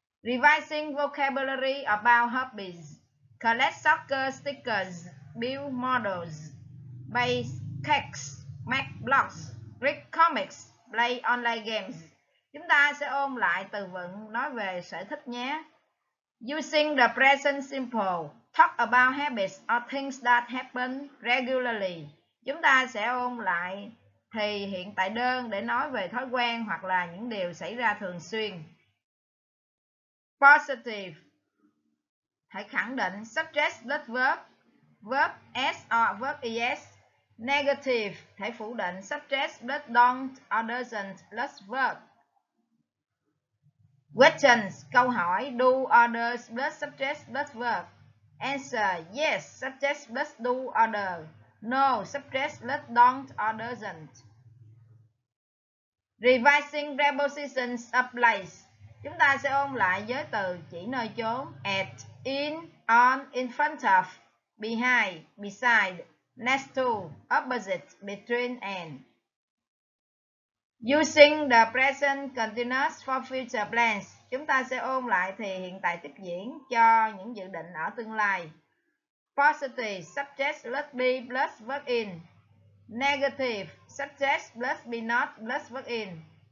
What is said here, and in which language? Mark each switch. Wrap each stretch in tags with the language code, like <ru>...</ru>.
<en>Revising vocabulary about hobbies. Collect soccer stickers. Build models, bake cakes, make blocks, read comics, play online games.</en> <vi>Chúng ta sẽ ôn lại từ vựng nói về sở thích nhé.</vi> <en>Using the present simple, talk about habits or things that happen regularly.</en> <vi>Chúng ta sẽ ôn lại thì hiện tại đơn để nói về thói quen hoặc là những điều xảy ra thường xuyên.</vi> <en>Positive,</en> <vi>hãy khẳng định</vi> <en>subject plus verb. Verb S or verb ES. Negative,</en> <vi>thể phủ định</vi> <en>subject plus don't or doesn't plus verb. Questions,</en> <vi>câu hỏi</vi> <en>do or does plus subject plus verb. Answer, yes, subject plus do or does. No, subject plus don't or doesn't. Revising prepositions of place.</en> <vi>Chúng ta sẽ ôn lại giới từ chỉ nơi chốn</vi> <en>at, in, on, in front of. Behind, beside, next to, opposite, between, and. Using the present continuous for future plans.</en> <vi>Chúng ta sẽ ôn lại thì hiện tại tiếp diễn cho những dự định ở tương lai.</vi> <en>Positive, subject plus be plus verb in. Negative, subject plus be not plus verb in.</en>